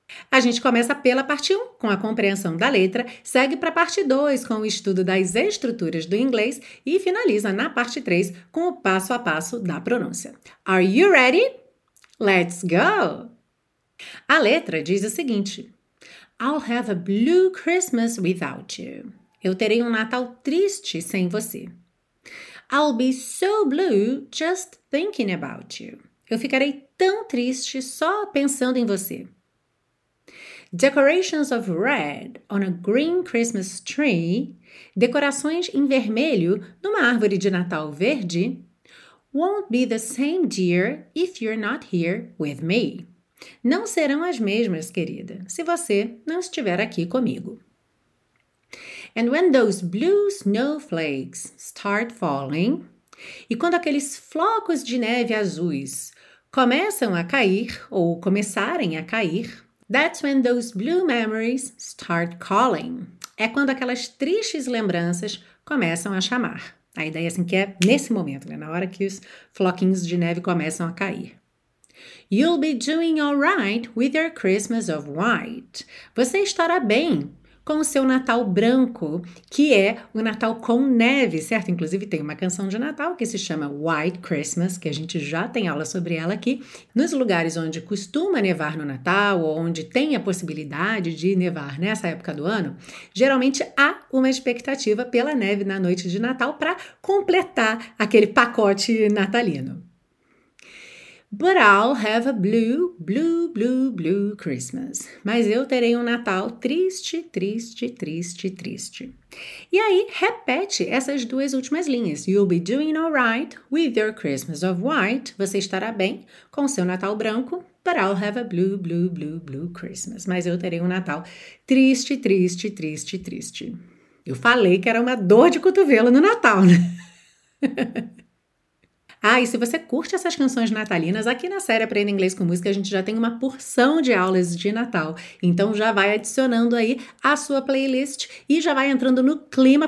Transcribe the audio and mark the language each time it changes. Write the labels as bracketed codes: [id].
[pt] A gente começa pela parte 1, com a compreensão da letra, segue para a parte 2, com o estudo das estruturas do inglês e finaliza na parte 3, com o passo a passo da pronúncia. [en] Are you ready? Let's go! [pt] A letra diz o seguinte: [en] I'll have a blue Christmas without you. [pt] Eu terei um Natal triste sem você. [en] I'll be so blue just thinking about you. [pt] Eu ficarei tão triste só pensando em você. [en] Decorations of red on a green Christmas tree, [pt] decorações em vermelho numa árvore de Natal verde, [en] won't be the same, dear, if you're not here with me. [pt] Não serão as mesmas, querida, se você não estiver aqui comigo. [en] And when those blue snowflakes start falling, [pt] e quando aqueles flocos de neve azuis começam a cair [en] ou começarem a cair, that's when those blue memories start calling. [pt] É quando aquelas tristes lembranças começam a chamar. A ideia assim que é nesse momento, né? Na hora que os floquinhos de neve começam a cair. [en] You'll be doing all right with your Christmas of white. [pt] Você estará bem com o seu Natal branco, que é o Natal com neve, certo? Inclusive tem uma canção de Natal que se chama White Christmas, que a gente já tem aula sobre ela aqui. Nos lugares onde costuma nevar no Natal, ou onde tem a possibilidade de nevar nessa época do ano, geralmente há uma expectativa pela neve na noite de Natal para completar aquele pacote natalino. [en] But I'll have a blue, blue, blue, blue Christmas. [pt] Mas eu terei um Natal triste, triste, triste, triste. E aí, repete essas duas últimas linhas. [en] You'll be doing all right with your Christmas of white. [pt] Você estará bem com seu Natal branco. [en] But I'll have a blue, blue, blue, blue Christmas. [pt] Mas eu terei um Natal triste, triste, triste, triste. Eu falei que era uma dor de cotovelo no Natal, né? Ah, e se você curte essas canções natalinas, aqui na série Aprenda Inglês com Música a gente já tem uma porção de aulas de Natal. Então já vai adicionando aí a sua playlist e já vai entrando no clima.